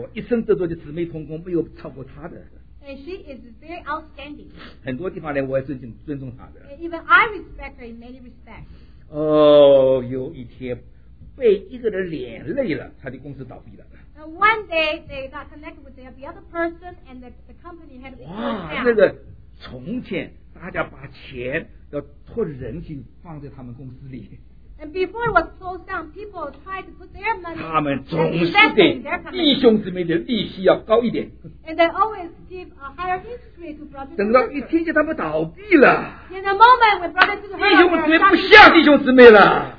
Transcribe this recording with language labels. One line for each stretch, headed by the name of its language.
Chinese: 我一生得到的姊妹同工没有超过她的。
English: And she is very outstanding.
Chinese: 很多地方呢，我也尊重她的。
English: And even I respect her in many respects.
Chinese: 哦，有一天被一个人连累了，他的公司倒闭了。
English: One day they got connected with the other person, and the company had to close down.
Chinese: 哇，那个从前大家把钱要托人情放在他们公司里。
English: And before it was closed down, people tried to put their money.
Chinese: 他们总是给弟兄姊妹的利息要高一点。
English: And they always give a higher interest rate to brothers.
Chinese: 等到一听见他们倒闭了。
English: In the moment when brothers and sisters,
Chinese: 弟兄姊妹不像弟兄姊妹了。